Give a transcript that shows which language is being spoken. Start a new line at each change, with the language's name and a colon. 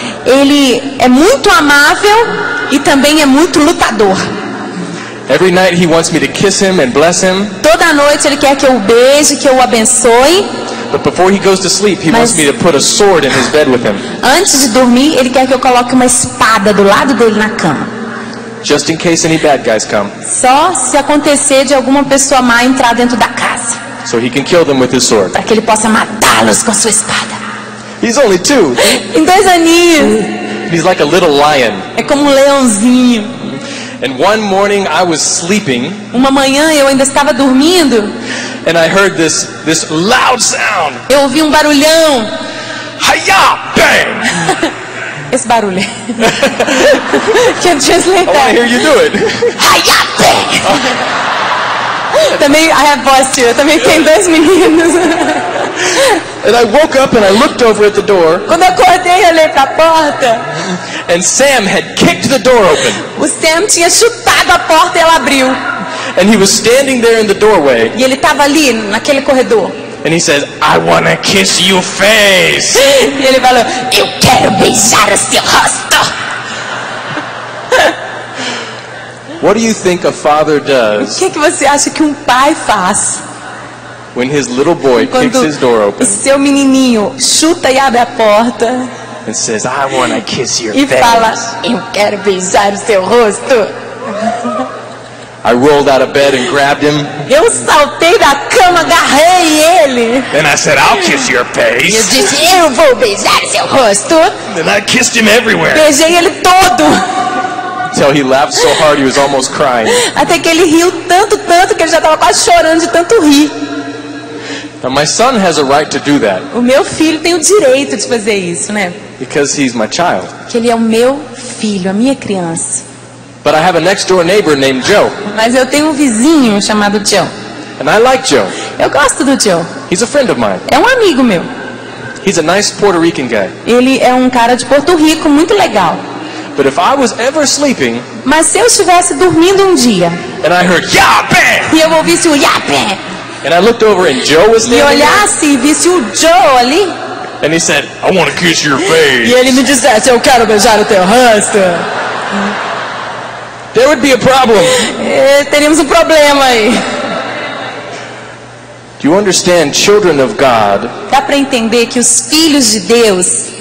Portuguese: Ele é muito amável e também é muito lutador.
English: Every night he wants me to kiss him and bless him.
Portuguese: Toda noite ele quer que eu o beije, que eu o abençoe.
English: But before he goes to sleep, he wants me to put a sword in his bed with him.
Portuguese: Antes de dormir, ele quer que eu coloque uma espada do lado dele na cama.
English: Just in case any bad guys come.
Portuguese: Só se acontecer de alguma pessoa má entrar dentro da casa.
English: So he can kill them with his sword.
Portuguese: Para que ele possa matá-los com a sua espada.
English: He's only 2.
Portuguese: Em 2 aninhos.
English: He's like a little lion.
Portuguese: É como um leãozinho.
English: And one morning I was sleeping.
Portuguese: Uma manhã eu ainda estava dormindo.
English: And I heard this loud sound.
Portuguese: Eu ouvi um barulhão.
English: Hiya, bang.
Portuguese: Esse barulho.
English: Can't translate that. I want to hear you do it. Hiya, bang.
Portuguese: Também,
English: I have boys too.
Portuguese: Também tem dois meninos.
English: And I woke up and I looked over at the door.
Portuguese: Quando acordei, olhei pra porta.
English: And Sam had kicked the door open.
Portuguese: O Sam tinha chutado a porta e ela abriu.
English: And he was standing there in the doorway.
Portuguese: E ele estava ali naquele corredor.
English: And he says, "I want to kiss your face."
Portuguese: E ele falou, "Eu quero beijar o seu rosto."
English: What do you think a father does?
Portuguese: O que que você acha que um pai faz?
English: When his little boy kicks his door open.
Portuguese: Quando seu menininho chuta e abre a porta.
English: And says, "I want to kiss your
Portuguese: e
English: face."
Portuguese: E fala, "Eu quero beijar o seu rosto."
English: I rolled out of bed and grabbed him.
Portuguese: Eu saltei da cama, agarrei ele.
English: And I said, "I'll kiss your face."
Portuguese: E eu disse, "Eu vou beijar seu rosto."
English: And I kissed him everywhere.
Portuguese: Beijei ele todo.
English: Until he laughed so hard he was almost crying.
Portuguese: Até que ele riu tanto, tanto que ele já estava quase chorando de tanto rir.
English: Now my son has a right to do that.
Portuguese: O meu filho tem o direito de fazer isso, né?
English: Because he's my child.
Portuguese: Que ele é o meu filho, a minha criança.
English: But I have a next door neighbor named Joe.
Portuguese: Mas eu tenho um vizinho chamado Joe.
English: And I like Joe.
Portuguese: Eu gosto do Joe.
English: He's a friend of mine.
Portuguese: É um amigo meu.
English: He's a nice Puerto Rican guy.
Portuguese: Ele é um cara de Porto Rico muito legal.
English: But if I was ever sleeping,
Portuguese: mas se eu estivesse dormindo um dia,
English: and I heard "Yah, bang!"
Portuguese: e eu ouvisse o "Yah, bang!"
English: and I looked over and Joe was there,
Portuguese: e olhasse e visse o Joe ali,
English: and he said, "I want to kiss your face."
Portuguese: E ele me dissesse, "Eu quero beijar o teu rosto."
English: There would be a problem.
Portuguese: Teríamos um problema aí.
English: Do you understand, children of God?
Portuguese: Dá para entender que os filhos de Deus